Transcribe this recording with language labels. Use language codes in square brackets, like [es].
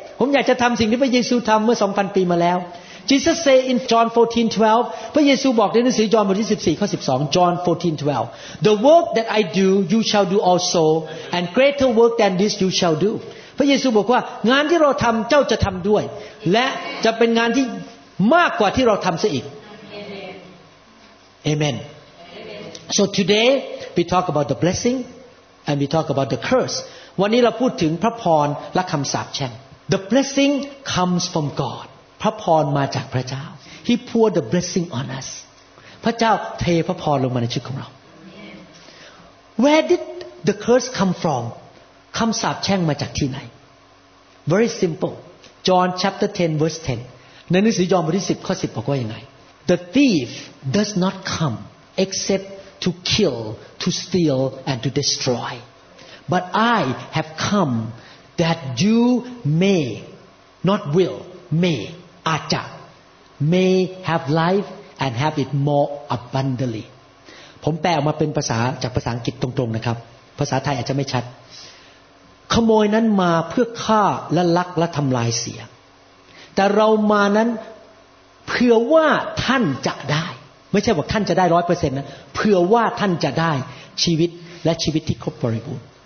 [th] ผมอยากจะทำสิ่งที่พระเยซูทำเมื่อ 2,000 ปีมาแล้ว [en] Jesus say in John 14:12 [th] พระเยซูบอกในหนังสือยอห์นบทที่14ข้อ12 [en] John 14:12 The work that I do you shall do also and greater work than this you shall do. [th] พระเยซูบอกว่างานที่เราทำเจ้าจะทำด้วยและจะเป็นงานที่มากกว่าที่เราทำซะอีกAmen. [en] Amen. So today we talk about the blessing and we talk about the curse. [th] วันนี้เราพูดถึงพระพรและคำสาปแช่ง [en] The blessing comes from God. [th] พระพรมาจากพระเจ้า [en] He poured the blessing on us. [th] พระเจ้าเทพระพรลงมาในชีวิตของเรา [en] Where did the curse come from? [th] คำสาปแช่งมาจากที่ไหน [en] Very simple. John chapter 10 verse 10. [th] ในหนังสือยอห์นบทที่10ข้อ10บอกว่ายังไง [en] The thief does not come except to kill, to steal, and to destroy. But I have come that you may, not will, may, acha, may have life and have it more abundantly. [th] ผมแปลออกมาเป็นภาษาจากภาษาอังกฤษตรงๆนะครับภาษาไทยอาจจะไม่ชัดขโมยนั้นมาเพื่อฆ่าและลักและทำลายเสียแต่เรามานั้น เผื่อว่าท่านจะได้ไม่ใช่ว่าท่านจะได้ 100% นะเผื่อว่าท่านจะได้ชีวิตและชีวิตที่ครบบริบูรณ์